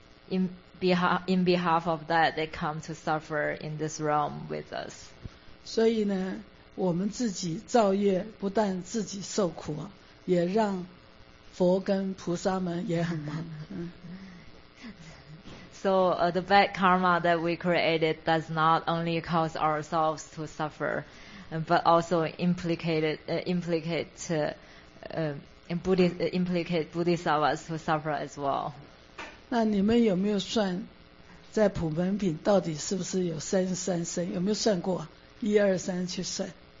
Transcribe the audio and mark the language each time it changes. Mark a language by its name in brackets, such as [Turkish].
[English] In behalf of that, they come to suffer in this realm with us. [Chinese] 所以呢，我们自己造业，不但自己受苦，也让佛跟菩萨们也很忙。 [English] So, the bad karma that we created does not only cause ourselves to suffer, but also implicate Bodhisattvas to suffer as well. [Chinese] 那你们有没有算在普门品到底是不是有三十三身？有没有算过一二三去算？